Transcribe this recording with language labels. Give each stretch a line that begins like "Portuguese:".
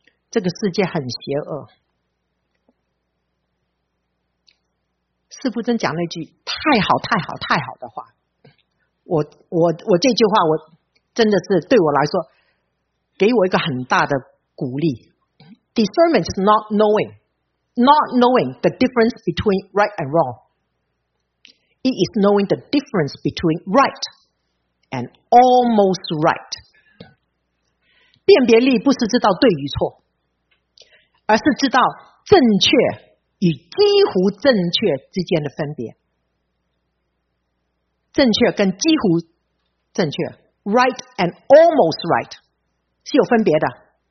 Chinese: 这个世界很邪恶，四福真讲了一句太好太好太好的话，我这句话我真的是对我来说给我一个很大的鼓励。
English: Discernment is not knowing the difference between right and wrong, it is knowing the difference between right and almost right.
Chinese: 辨别力不是知道对与错，而是知道正确与几乎正确之间的分别。正确跟几乎正确
English: right and almost right
Chinese: 是有分别的。